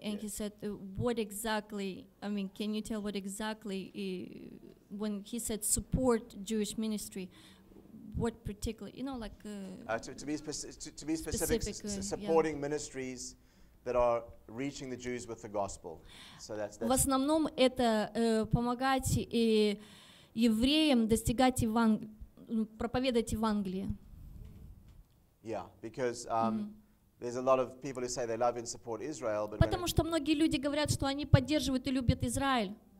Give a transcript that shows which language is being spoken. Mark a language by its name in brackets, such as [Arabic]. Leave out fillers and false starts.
[English] And yes. He said, can you tell what exactly, when he said support Jewish ministry, what particular, you know, like... To be specific, supporting ministries that are reaching the Jews with the gospel. So that's [Russian] в основном это помогать и евреям достигать проповедовать Евангелие. [English] Yeah, because there's a lot of people who say they love and support Israel, but [Russian] потому что многие люди говорят, что они поддерживают и любят Израиль.